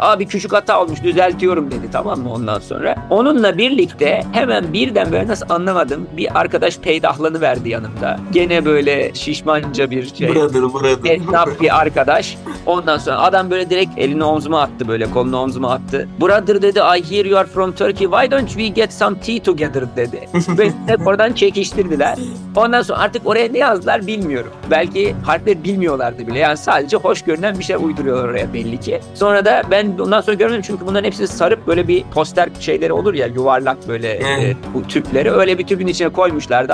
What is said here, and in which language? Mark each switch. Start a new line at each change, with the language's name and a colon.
Turkish: Abi küçük hata olmuş düzeltiyorum dedi, tamam mı ondan sonra? Onunla birlikte hemen birden böyle nasıl anlamadım bir arkadaş peydahlanı verdi yanımda. Gene böyle şişmanca bir şey. Buradır. Esnaf bir arkadaş. Ondan sonra adam böyle direkt elini omzuma attı böyle kolunu omzuma attı.
English: Brother
Turkish: dedi,
English: I hear you are from Turkey. Why don't we get some tea together dedi.
Turkish: Ve hep oradan çekiştirdiler. Ondan sonra artık oraya ne yazdılar bilmiyorum. Belki harfleri bilmiyorlardı bile. Yani sadece hoş görünen bir şey uyduruyorlar oraya belli ki. Sonra da ben ondan sonra görmedim. Çünkü bunların hepsini sarıp böyle bir poster şeyleri olur ya. Yuvarlak böyle bu tüpleri. Öyle bir tüpün içine koymuşlardı.